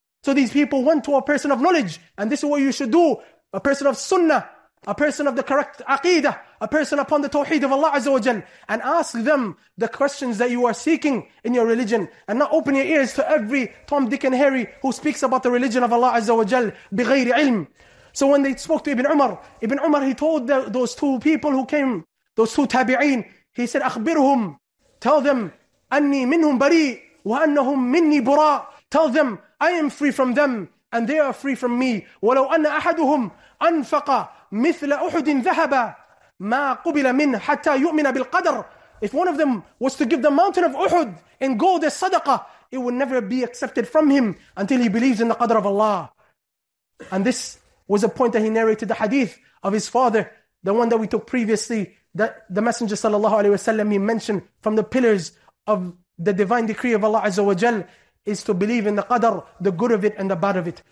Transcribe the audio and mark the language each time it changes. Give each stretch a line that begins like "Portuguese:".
English: So these people went to a person of knowledge, and this is what you should do. A person of sunnah, a person of the correct aqidah, a person upon the tawheed of Allah Azza wa Jal, and ask them the questions that you are seeking in your religion, and not open your ears to every Tom, Dick and Harry who speaks about the religion of Allah Azza wa Jal bighayri ilm. So when they spoke to Ibn Umar, he told those two people who came, those two tabi'een, he said, أخبرهم, tell them,
Arabic: أني منهم بريء وأنهم مني براء.
English: Tell them, I am free from them and they are free from me.
Arabic: ولو أن أحدهم أنفق مثل أحد ذهبا ما قبل منه حتى يؤمن بالقدر.
English: If one of them was to give the mountain of Uhud in gold as sadaqah, it would never be accepted from him until he believes in the qadr of Allah. And this was a point that he narrated the hadith of his father, the one that we took previously, that the Messenger sallallahu alaihi wasallam, he mentioned from the pillars of the divine decree of Allah Azza wa Jal is to believe in the qadr, the good of it and the bad of it.